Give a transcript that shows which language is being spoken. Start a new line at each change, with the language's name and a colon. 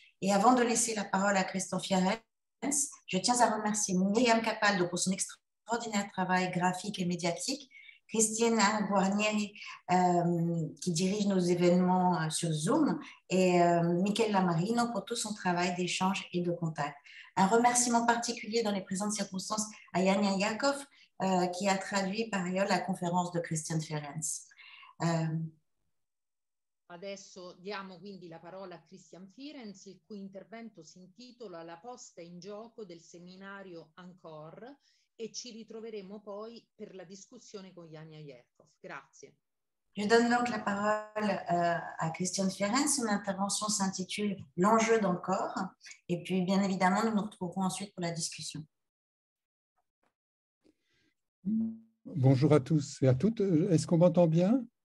French: Et avant de laisser la parole à Christian Fierens, je tiens à remercier Myriam Capaldo pour son extraordinaire travail graphique et médiatique, Cristina Guarnieri, qui dirige nos événements sur Zoom, et Michela Marino pour tout son travail d'échange et de contact. Un remerciement particulier dans les présentes circonstances à Yania Yakov, qui a traduit par ailleurs la conférence de Christian Ferenc.
Italian: Adesso diamo quindi la parola a Christian Firenze, il cui intervento si intitola La posta in gioco del seminario Ancor e ci ritroveremo poi per la discussione con Jania Jerkov. Grazie.
French: Je donne donc la parole à Christian Ferenc. Son intervention s'intitule L'enjeu d'Ancor. Et puis, bien évidemment, nous nous retrouverons ensuite pour la discussion. Bonjour à tous et à toutes. Est-ce qu'on m'entend bien?